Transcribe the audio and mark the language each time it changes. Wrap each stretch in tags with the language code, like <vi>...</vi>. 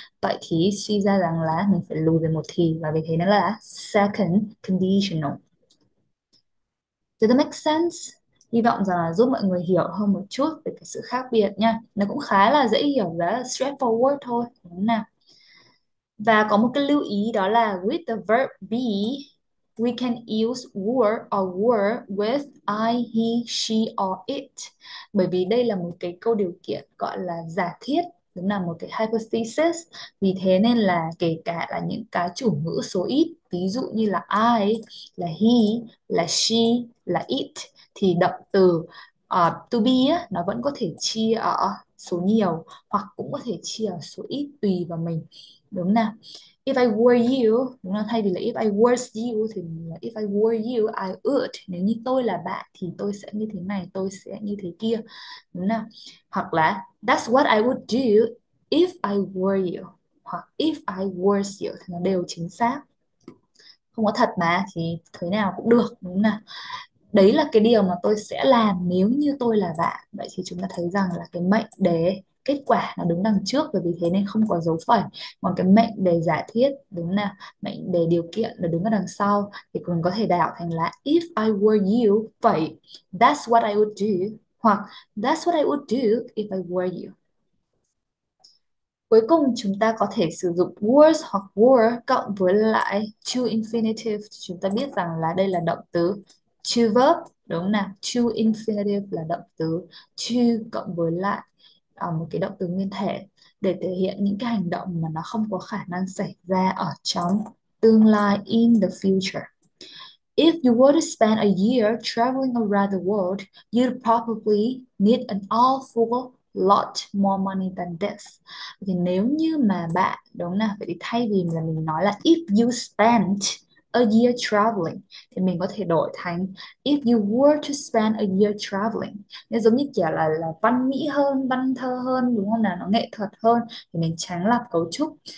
<vi>Vậy thì suy ra rằng là mình phải lùi về một thì, và vì thế nó là second conditional. Does that make sense? Hy vọng rằng là giúp mọi người hiểu hơn một chút về cái sự khác biệt nha. Nó cũng khá là dễ hiểu, rất là straightforward thôi. Đúng nào.</vi> <en>Và có một cái lưu ý, đó là with the verb be, we can use were or were with I, he, she or it.</en> <vi>Bởi vì đây là một cái câu điều kiện gọi là giả thiết, đúng là một cái hypothesis. Vì thế nên là kể cả là những cái chủ ngữ số ít, ví dụ như là I, là he, là she, là it, thì động từ to be á, nó vẫn có thể chia ở số nhiều hoặc cũng có thể chia ở số ít, tùy vào mình. Đúng nào.</vi> <en>If I were you, đúng là thay vì là if I was you thì là if I were you, I would.</en> <vi>Nếu như tôi là bạn thì tôi sẽ như thế này, tôi sẽ như thế kia. Đúng nào.</vi> <en>Hoặc là that's what I would do if I were you, hoặc if I was you, thì nó đều chính xác.</en> <vi>Không có thật mà thì thế nào cũng được, đúng nào. Đấy là cái điều mà tôi sẽ làm nếu như tôi là bạn. Vậy thì chúng ta thấy rằng là cái mệnh đề kết quả nó đứng đằng trước, và vì thế nên không có dấu phẩy. Còn cái mệnh đề giả thiết, đúng nào, mệnh đề điều kiện nó đứng ở đằng sau, thì còn có thể đảo thành là if I were you, phẩy, that's what I would do, hoặc that's what I would do if I were you. Cuối cùng chúng ta có thể sử dụng was hoặc were cộng với lại to infinitive. Chúng ta biết rằng là đây là động từ to verb, đúng nào. To infinitive là động từ to cộng với lại một cái động từ nguyên thể, để thể hiện những cái hành động mà nó không có khả năng xảy ra ở trong tương lai, in the future.</vi> <en>If you were to spend a year traveling around the world, you'd probably need an awful lot more money than this.</en> <vi>Thì nếu như mà bạn, đúng nào, vậy thì thay vì là mình nói là if you spent a year traveling thì mình có thể đổi thành if you were to spend a year traveling. Nó giống như kiểu là văn mỹ hơn, văn thơ hơn, đúng không nào, nó nghệ thuật hơn, thì mình tránh lặp cấu trúc.</vi>